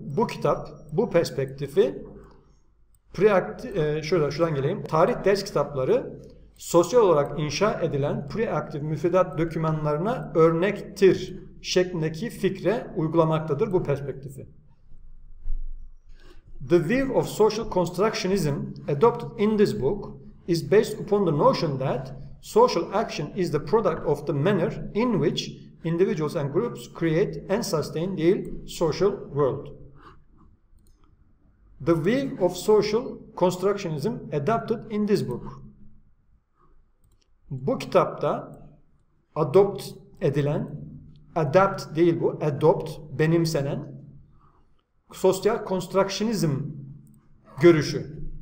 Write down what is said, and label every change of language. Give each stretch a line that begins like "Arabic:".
Turkish: Bu kitap, bu perspektifi tarih ders kitapları sosyal olarak inşa edilen preaktif müfredat dokümanlarına örnektir şeklindeki fikre uygulamaktadır bu perspektifi.
English: The view of social constructionism adopted in this book is based upon the notion that social action is the product of the manner in which individuals and groups create and sustain the social world. The view of social constructionism adopted in this book.
Turkish: Bu kitapta adopt edilen, adapt değil bu, adopt, benimsenen, sosyal constructionism görüşü,